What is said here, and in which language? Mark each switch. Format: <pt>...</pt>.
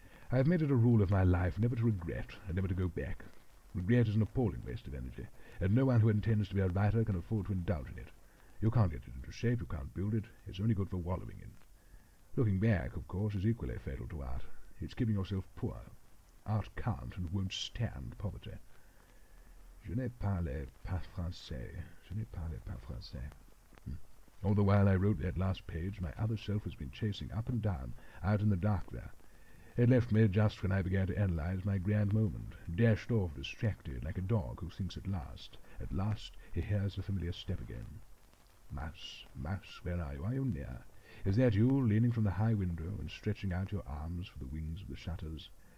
<en>I've made it a rule of my life never to regret, and never to go back. Regret is an appalling waste of energy, and no one who intends to be a writer can afford to indulge in it. You can't get it into shape, you can't build it, it's only good for wallowing in. Looking back, of course, is equally fatal to art. It's keeping yourself poor. Art can't and won't stand poverty.</en> <fr>Je ne parle pas français. Je ne parle pas français.</fr> <en>All the while I wrote that last page, my other self has been chasing up and down, out in the dark there. It left me just when I began to analyze my grand moment, dashed off, distracted, like a dog who thinks at last he hears a familiar step again. Mouse, mouse, where are you? Are you near? Is that you, leaning from the high window and stretching out your arms for the wings of the shutters?</en>